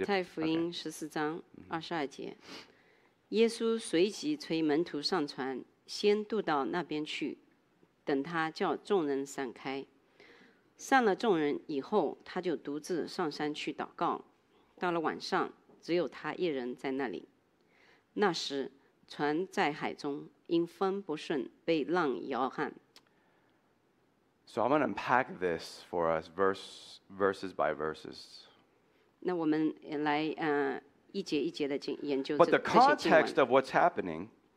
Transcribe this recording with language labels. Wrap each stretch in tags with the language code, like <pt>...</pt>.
<zh>马太福音十四章二十二节，耶稣随即催门徒上船，先渡到那边去，等他叫众人散开。散了众人以后，他就独自上山去祷告。到了晚上，只有他一人在那里。那时船在海中，因风不顺，被浪摇撼。</zh> <en>So I'm going to unpack this for us, verses by verses.</en> <zh>那我们来一节一节的研究这些经文。</zh> <en>But the context of what's happening.</en>